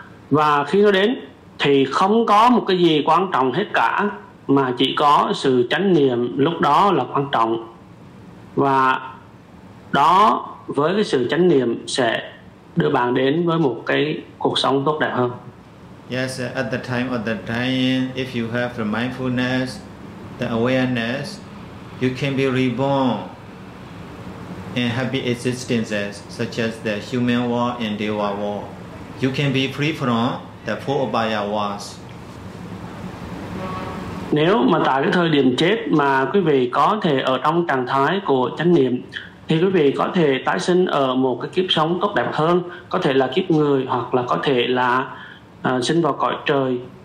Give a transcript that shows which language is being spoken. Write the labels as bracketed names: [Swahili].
[Vietnamese] Và khi nó đến, thì không có một cái gì quan trọng hết cả, mà chỉ có sự chánh niệm lúc đó là quan trọng. Và đó, với cái sự chánh niệm sẽ đưa bạn đến với một cái cuộc sống tốt đẹp hơn. [English] Yes, at the time of the dying, if you have the mindfulness, the awareness, you can be reborn in happy existences such as the human war and deva war. You can be free from the four abaya wars. [Vietnamese] Nếu mà tại cái thời điểm chết mà quý vị có thể ở trong trạng thái của chánh niệm, thì quý vị có thể tái sinh ở một cái kiếp sống tốt đẹp hơn, có thể là kiếp người hoặc là có thể là sinh vào cõi trời.